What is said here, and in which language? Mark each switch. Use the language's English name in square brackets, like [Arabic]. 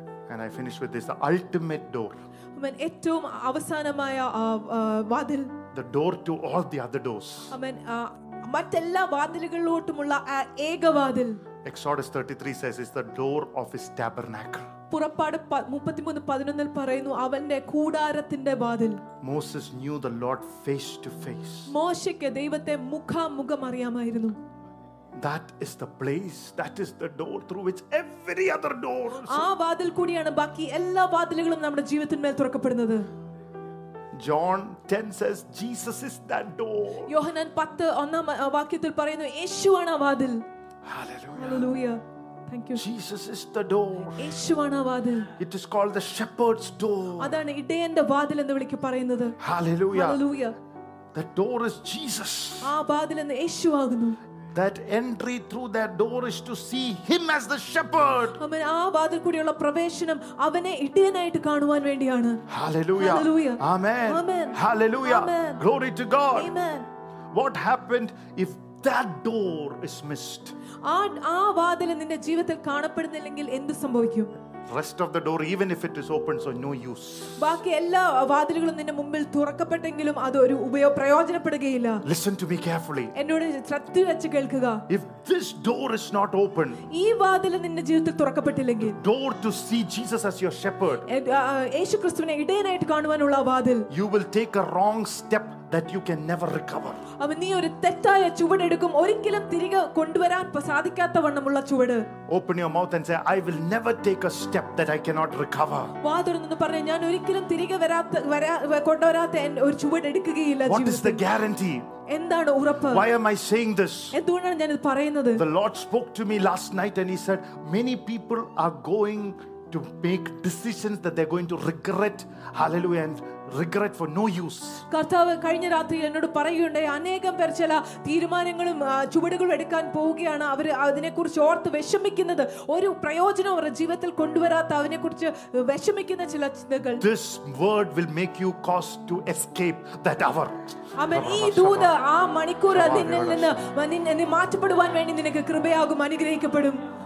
[English] And I finish with this, the ultimate door. [Malayalam] Amen. Ettum avasanamaya vadil. [English] The door to all the other doors. [Malayalam] Amen. Mattella vadilukalottumulla ega vadil. [English] Exodus 33 says it's the door of his tabernacle. [Malayalam] പുറപ്പാട് 33:11 പറയുന്നു അവന്റെ കൂടാരത്തിന്റെ വാതിൽ. [English] Moses knew the Lord face to face. [Malayalam] മോശയ്ക്ക് ദൈവത്തെ മുഖാമുഖം അറിയാമായിരുന്നു. [English] That is the place, that is the door through which every other door. [Malayalam] ആ വാതിൽ കൂടിയാണ് ബാക്കി എല്ലാ വാതിലുകളും നമ്മുടെ ജീവിതത്തിന്മേൽ തുറക്കപ്പെടുന്നത്. [English] John 10 says Jesus is that door. [Malayalam] യോഹന്നാൻ 10:1 വാക്യത്തിൽ പറയുന്നു യേശുവാണ് ആ വാതിൽ. [English] Hallelujah. Hallelujah. Thank you. Jesus is the door. [Malayalam] യേശുവാണ് വാതിൽ. [English] It is called the shepherd's door. [Malayalam] അതാണ് ഇടയന്റെ വാതിൽ എന്ന് വിളിക്കു പറയുന്നത്. [English] Hallelujah. Hallelujah. The door is Jesus. [Malayalam] ആ വാതിൽ എന്ന് യേശു ആകുന്നു. [English] That entry through that door is to see him as the shepherd. [Malayalam] അമേ ആ വാതിൽ കൂടിയുള്ള പ്രവേശനം അവനെ ഇടയനായിട്ട് കാണുവാൻ വേണ്ടിയാണ്. [English] Hallelujah. Hallelujah. Amen. Amen. Hallelujah. Amen. Glory to God. Amen. What happened if that door is missed? [Malayalam] ആ വാതിൽ നിന്റെ ജീവിതത്തിൽ കാണപ്പെടുന്നില്ലെങ്കിൽ എന്ത് സംഭവിക്കും? [English] Rest of the door, even if it is open, so no use. [Malayalam] ബാക്കി എല്ലാ വാതിലുകളും നിന്റെ മുമ്പിൽ തുറക്കപ്പെട്ടെങ്കിലും അത് ഒരു പ്രയോജനപ്പെടുകയില്ല. [English] Listen to me carefully. [Malayalam] എന്നോട് ശ്രദ്ധ വെച്ച് കേൾക്കുക. [English] If this door is not open, [Malayalam] ഈ വാതിൽ നിന്റെ ജീവിതത്തിൽ തുറക്കപ്പെട്ടില്ലെങ്കിൽ, [English] door to see Jesus as your shepherd, [Malayalam] യേശുക്രിസ്തുവിനെ ഇടയനായിട്ട് കാണുവാനുള്ള വാതിൽ, [English] you will take a wrong step that you can never recover. [Malayalam] അവൻ നീ ഒരു തെറ്റായ ചുവട് എടുക്കും ഒരിക്കലും തിരികെ കൊണ്ടുവരാൻ സാധിക്കാത്ത വണ്ണമുള്ള ചുവട്. [English] Open your mouth and say, I will never take a step that I cannot recover. [Malayalam] വാദരുന്നെന്ന് പറഞ്ഞു ഞാൻ ഒരിക്കലും തിരികെ കൊണ്ടുവരാത്ത ഒരു ചുവട് എടുക്കുകയില്ല. [English] What is the guarantee? [Malayalam] എന്താണ് ഉറപ്പ്? [English] Why am I saying this? [Malayalam] എന്തുകൊണ്ടാണ് ഞാൻ ഇത് പറയുന്നത്? [English] The Lord spoke to me last night and he said many people are going to make decisions that they're going to regret. Hallelujah. And regret for no use. [Malayalam] കർത്താവ് കഴിഞ്ഞ രാത്രി എന്നോട് പറയുകയുണ്ടായി അനേകം പേർ ചില തീരുമാനങ്ങളും ചുവടുകളും എടുക്കാൻ പോവുകയാണ് അവർ അതിനെ കുറിച്ച് ഓർത്ത് വിഷമിക്കുന്നത് ഒരു പ്രയോജനം അവരുടെ ജീവിതത്തിൽ കൊണ്ടുവരാത്ത അവനെ കുറിച്ച് വിഷമിക്കുന്ന ചില ചിന്തകൾ. [English] This word will make you cause to escape that hour. [Malayalam] അമേ ഈ ദൂത ആ മണിക്കൂർ നിന്നിൽ നിന്ന് നിന്നെ മാറ്റപ്പെടുവാൻ വേണ്ടി നിനക്ക് കൃപയാകും അനുഗ്രഹിക്കപ്പെടും.